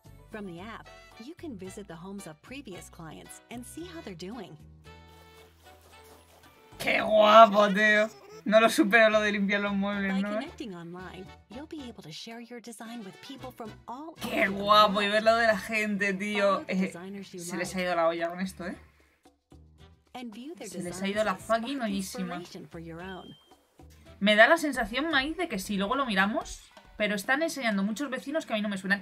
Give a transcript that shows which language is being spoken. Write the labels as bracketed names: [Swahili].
[English] From the app, you can visit the homes of previous clients and see how they're doing. [Spanish] ¡Qué guapo, tío! No lo supero lo de limpiar los muebles, ¿no? [English] By connecting online, you'll be able to share your design with people from all... [Spanish] ¡Qué guapo! Y ver lo de la gente, tío. Se les ha ido la olla con esto, ¿eh? Se les ha ido la fucking ollísima. Me da la sensación, Maíz, de que sí, luego lo miramos, pero están enseñando muchos vecinos que a mí no me suenan.